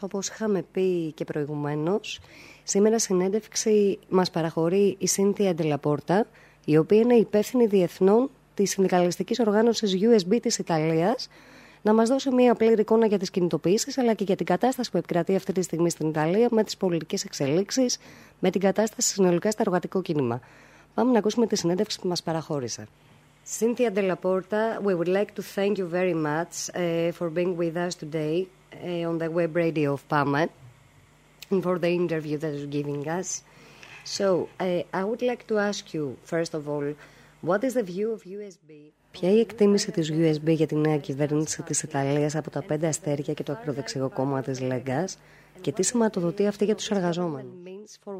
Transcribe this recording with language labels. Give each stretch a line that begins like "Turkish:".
Greek: Όπως είχαμε πει και προηγουμένως, σήμερα συνέντευξη μας παραχωρεί η Σύνθια Ντελαπόρτα, η οποία είναι υπεύθυνη διεθνών της συνδικαλιστικής οργάνωσης USB της Ιταλίας, να μας δώσει μια πλήρη εικόνα για τις κινητοποιήσεις αλλά και για την κατάσταση που επικρατεί αυτή τη στιγμή στην Ιταλία με τις πολιτικές εξελίξεις, με την κατάσταση συνολικά στο εργατικό κίνημα. Πάμε να ακούσουμε τη συνέντευξη που μας παραχώρησε.
English: Cynthia Ντελαπόρτα, we would like to thank you very much for being with us today on the web radio of PAMA and for the interview that you're giving us. So, I would like to ask you, first of all, what is the view of USB?
Greek: Ποια η εκτίμηση της USB για τη νέα κυβέρνηση της Ιταλίας από τα πέντε αστέρια και το ακροδεξιό κόμμα της Λέγκας και τι σηματοδοτεί αυτή για τους εργαζόμενους?